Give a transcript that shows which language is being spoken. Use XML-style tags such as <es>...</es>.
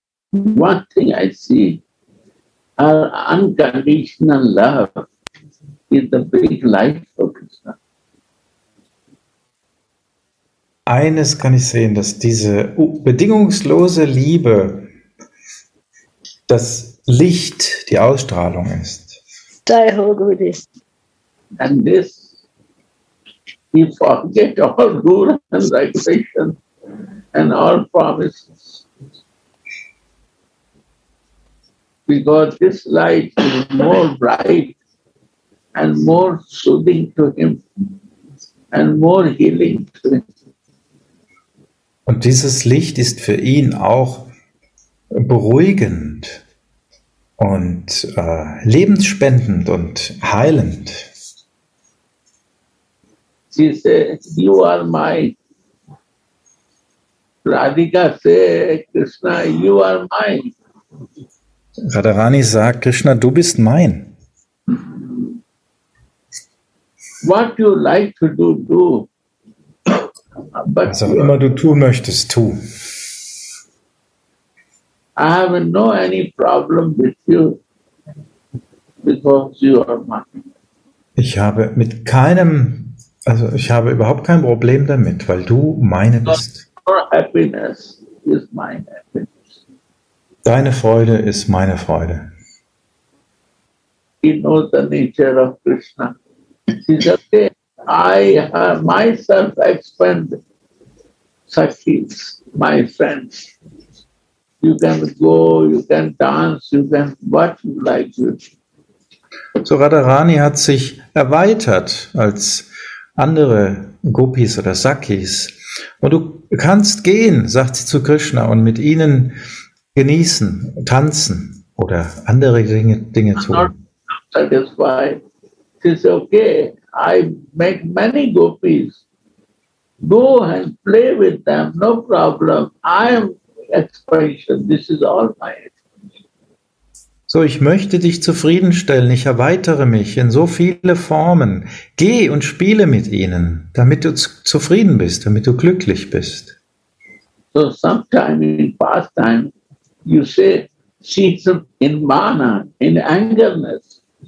<en>One thing I see, our unconditional love is the big light of Krishna.</en> <de>Eines kann ich sehen, dass diese bedingungslose Liebe das Licht, die Ausstrahlung ist.</de> <hi>Jai Ho Gurudev.</hi> <en>And this, you forget all rules and regulations and all promises. Because this light is more bright and more soothing to him and more healing to him.</en> <de>Und dieses Licht ist für ihn auch beruhigend und lebensspendend und heilend. Sie sagt,</de> <en>you are my Radhika, Krishna, you are mine.</en> <de>Radharani sagt, Krishna, du bist mein.</de> <en>What you like to do, do.</en> <de>Was auch immer du tun möchtest, tu.</de> <en>I have no any problem with you because you are mine.</en> <de>Ich habe mit keinem, also ich habe überhaupt kein Problem damit, weil du meine bist.</de> <en>Your happiness is my happiness.</en> <de>Deine Freude ist meine Freude.</de> <en>He knows the nature of Krishna. He says, I myself expand Sakhis, my friends. You can go, you can dance, you can what you like.</en> <de>So Radharani hat sich erweitert als andere Gopis oder Sakhis. Und du kannst gehen, sagt sie zu Krishna, und mit ihnen genießen, tanzen oder andere Dinge tun.</de> <en>That is why it is okay. I make many gopis go and play with them, no problem. I am expression, this is all my expression.</en> <de>So, ich möchte dich zufriedenstellen, ich erweitere mich in so viele Formen. Geh und spiele mit ihnen, damit du zufrieden bist, damit du glücklich bist.</de> <en>So, sometime in past time, you say, she's in mana, in angerness.</en>